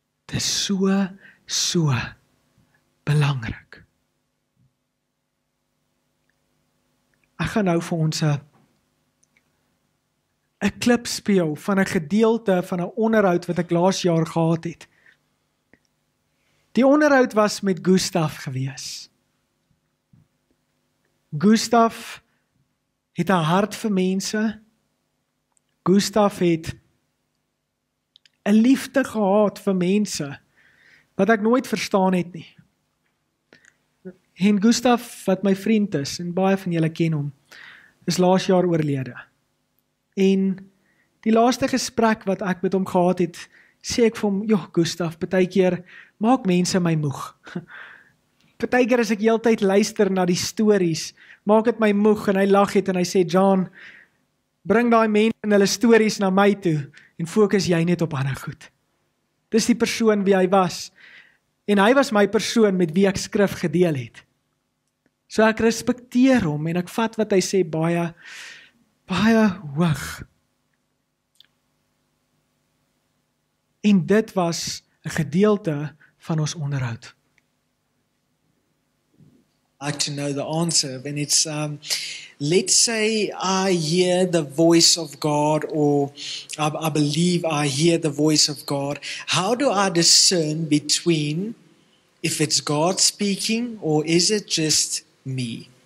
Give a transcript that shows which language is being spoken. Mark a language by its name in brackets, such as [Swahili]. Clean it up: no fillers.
[Afrikaans] Dit is so, so belangrik. Ek gaan nou vir ons 'n klip speel van 'n gedeelte van 'n onderhoud wat ek laas jaar gehad het. Die onderhoud was met Gustav gewees. Gustav het 'n hart vir mense. Gustav het 'n liefde gehad vir mense wat ek nooit verstaan het nie. En Gustav, wat my vriend is, en baie van julle ken hom, is laas jaar oorlede. En die laaste gesprek wat ek met hom gehad het, sê ek vir hom, joh Gustav, partykeer maak mense my moeg. Partykeer as ek heeltyd luister na die stories, maak het my moeg, en hy lag het en hy sê, John, bring daai mense en hulle stories na my toe, en fokus jy net op ander goed. Dis die persoon wie hy was, en hy was my persoon met wie ek skrif gedeel het. So ek respekteer hom, en ek vat wat hy sê baie, baie hoog. En dit was 'n gedeelte van ons onderhoud. [English] I'd like to know the answer, and it's let's say I hear the voice of God, or I believe I hear the voice of God. How do I discern between if it's God speaking or is it just me?